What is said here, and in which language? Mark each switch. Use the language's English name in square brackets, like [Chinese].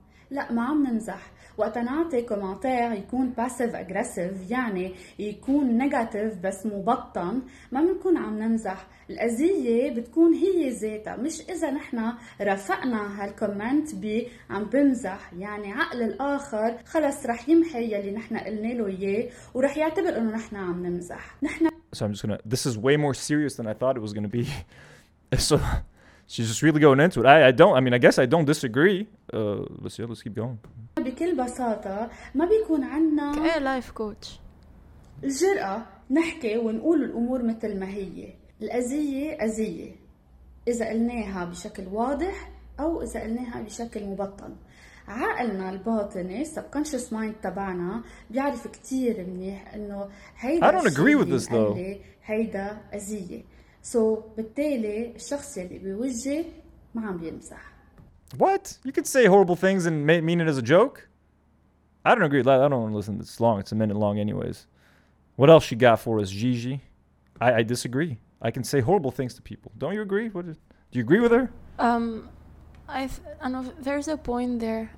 [Arabic] لا ما عم نمزح. وقت نعطي كومنتير يكون باسيف اجريسيف يعني يكون نيجاتيف بس مبطن ما بنكون عم نمزح الأذية بتكون هي ذاتها مش إذا نحنا رفقنا هالكومنت ب عم بمزح يعني عقل الآخر خلص رح يمحي يلي نحنا قلنا له إياه ورح يعتبر إنه نحنا عم نمزح نحنا [English] So I'm just gonna this is way more serious than I thought it was gonna be so She's just really going into it. I guess I don't disagree. Let's keep going. [Arabic] بكل بساطة ما بيكون عنا كأي لايف كوتش الجرأة نحكي ونقول الأمور مثل ما هي الأذية أذية إذا قلناها بشكل واضح أو إذا قلناها بشكل مبطن عقلنا الباطني [English] subconscious mind [Arabic] تبعنا بيعرف كتير منيح إنه هيدا [English] I don't agree with this though [Arabic] هيدا أذية So, بالتالي الشخص اللي بيوجه ما عم بيمزح [English] What? You could say horrible things and mean it as a joke? I don't agree. I don't want to listen. It's long. It's a minute long anyways. What else she got for us, Gigi? I disagree. I can say horrible things to people. Don't you agree? Do you agree with her? I know there's a point there.